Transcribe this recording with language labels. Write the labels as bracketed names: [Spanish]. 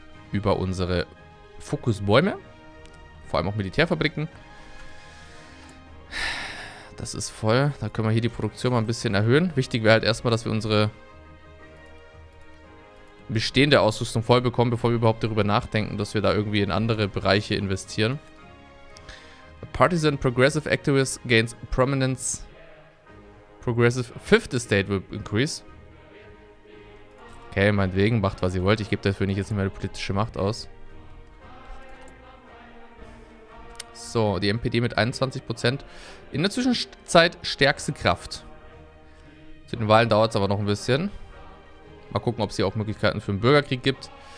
[German] Über unsere Fokusbäume. Vor allem auch Militärfabriken. Das ist voll. Da können wir hier die Produktion mal ein bisschen erhöhen. Wichtig wäre halt erstmal, dass wir unsere bestehende Ausrüstung voll bekommen, bevor wir überhaupt darüber nachdenken, dass wir da irgendwie in andere Bereiche investieren. [English] A partisan progressive activist gains prominence. Progressive fifth estate will increase. [German] Okay, meinetwegen, macht was ihr wollt. Ich gebe dafür nicht jetzt nicht mehr die politische Macht aus. So, die MPD mit 21%. In der Zwischenzeit stärkste Kraft. Mit den Wahlen dauert es aber noch ein bisschen. Mal gucken, ob es hier auch Möglichkeiten für einen Bürgerkrieg gibt.